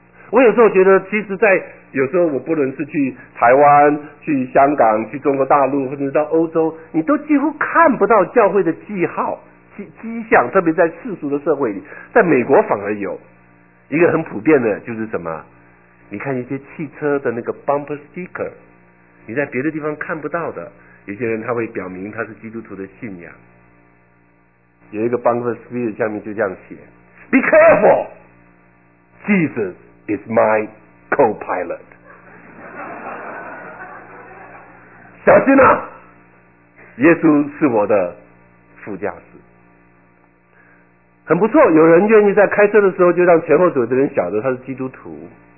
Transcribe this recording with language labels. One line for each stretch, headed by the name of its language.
Chinese: 我有时候觉得，其实在有时候我不论是去台湾、去香港、去中国大陆，或者到欧洲，你都几乎看不到教会的记号、迹象，特别在世俗的社会里，在美国反而有。一个很普遍的就是什么？你看一些汽车的那个 bumper sticker， 你在别的地方看不到的，有些人他会表明他是基督徒的信仰。有一个 bumper sticker 下面就这样写 ：
English: Be careful, Jesus。 Is my co-pilot，
Chinese: 小心啊，耶稣是我的副驾驶。很不错，有人愿意在开车的时候就让前后左右的人晓得他是基督徒。